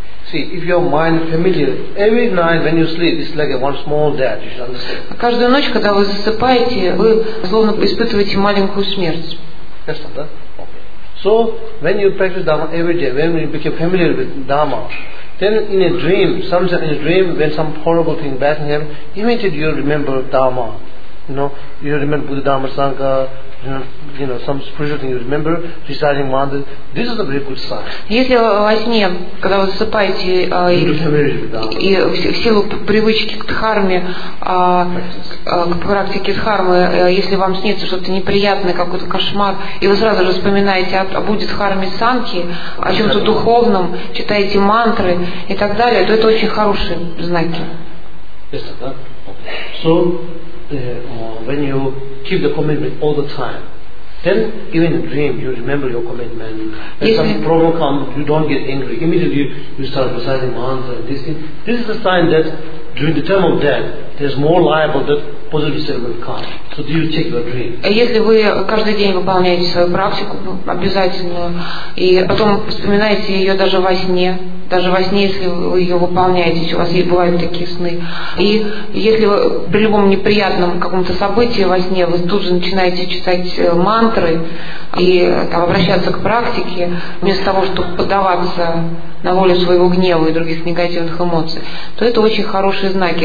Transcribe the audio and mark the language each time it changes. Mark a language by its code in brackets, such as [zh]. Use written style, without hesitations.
[en] See, if your mind is familiar, every night when you sleep, it's like one small death. You should understand. [ru] Каждую ночь, когда вы засыпаете, вы словно испытываете маленькую смерть. [en] Yes, sir. Okay. So when you practice Dharma every day, when you become familiar with Dharma, then in a dream, sometimes in a dream, when some horrible thing bad thing happens, immediately you remember Dharma. You know, you remember Buddha, Dharma, Sangha. Some spiritual thing you remember, reciting mantras. This is a very good sign. [ru] Если во сне, когда вы засыпаете, и в силу привычки к дхарме, к практике дхармы, если вам снится что-то неприятное, какой-то кошмар, и вы сразу же вспоминаете о Будде Дхарме Санхе, о чем-то духовном, читаете мантры и так далее, то это очень хорошие знаки. [en] So, when you keep the commitment all the time, then even in a dream you remember your commitment. When some problem comes, you don't get angry. Immediately you start reciting mantra and this thing. This is a sign that during the time of death, there's more liable that positive state will come. So do you check your dream? [ru] Если вы каждый день выполняете свою практику обязательную и потом вспоминаете ее даже во сне. Даже во сне, если вы ее выполняете, у вас бывают такие сны. И если вы при любом неприятном каком-то событии во сне, вы тут же начинаете читать мантры и там, обращаться к практике, вместо того, чтобы поддаваться на волю своего гнева и других негативных эмоций, то это очень хорошие знаки.